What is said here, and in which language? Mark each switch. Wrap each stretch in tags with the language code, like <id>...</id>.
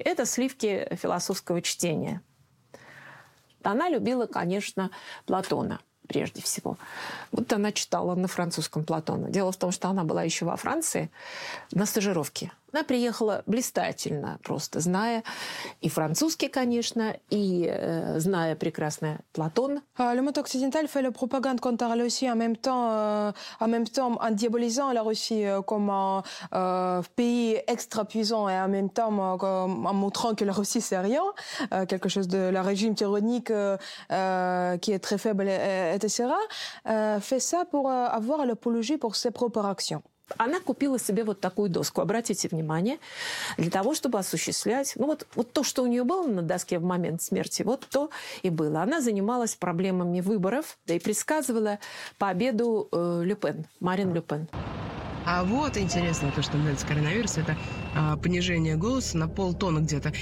<ru>Это сливки философского чтения. Она любила, конечно, Платона. Прежде всего. Вот она читала на французском Платона. Дело в том, что она была еще во Франции на стажировке. Она приехала блистательно, просто зная и французский, конечно, и зная прекрасно Платон.</ru> <fr>Le monde occidental fait la propagande contre la Russie en même temps en diabolisant la Russie comme un pays extra puissant et en même temps en montrant que la Russie c'est rien, quelque chose de la régime tyrannique qui est très faible etc. Fait ça pour avoir l'apologie pour ses propres actions.</fr> <ru>Она купила себе вот такую доску, обратите внимание, для того, чтобы осуществлять... Ну вот, вот то, что у нее было на доске в момент смерти, вот то и было. Она занималась проблемами выборов, да, и предсказывала победу Люпен, Марин Люпен. А вот интересно то, что называется коронавирус, это понижение голоса на полтона где-то.</ru>